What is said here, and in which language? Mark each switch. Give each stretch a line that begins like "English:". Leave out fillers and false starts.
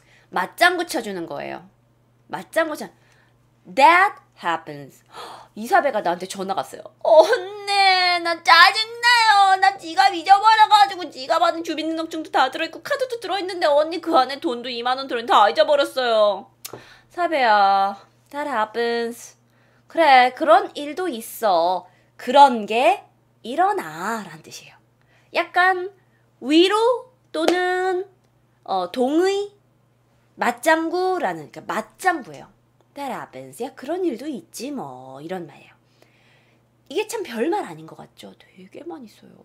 Korean: 맞장구 쳐주는 거예요. 맞장구 쳐. That happens. 이사배가 나한테 전화가 왔어요. 언니, 나 짜증나요. 나 지갑 잊어버려가지고 지갑 안에 주민등록증도 다 들어있고 카드도 들어있는데 언니 그 안에 돈도 2만원 들어있는데 다 잊어버렸어요.
English: 사배야, that happens.
Korean: 그래, 그런 일도 있어. 그런 게 일어나 라는 뜻이에요. 약간 위로 또는 동의 맞장구라는, 그러니까 맞장구예요.
English: That happens.
Korean: 야, 그런 일도 있지 뭐, 이런 말이에요. 이게 참 별말 아닌 것 같죠? 되게 많이 써요.